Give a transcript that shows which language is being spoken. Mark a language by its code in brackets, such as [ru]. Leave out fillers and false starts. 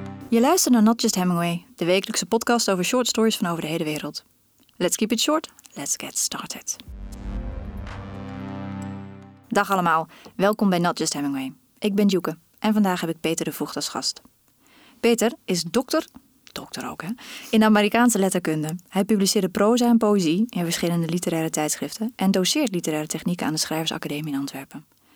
[nl] Je luistert naar Not Just Hemingway, de wekelijkse podcast over short stories van over de hele wereld. [en] Let's keep it short, let's get started. [nl] Dag allemaal, welkom bij Not Just Hemingway. Ik ben Djoeke en vandaag heb ik Peter de Voogd als gast. Peter is dokter ook hè, in Amerikaanse letterkunde. Hij publiceerde proza en poëzie in verschillende literaire tijdschriften en doseert literaire technieken aan de Schrijversacademie in Antwerpen.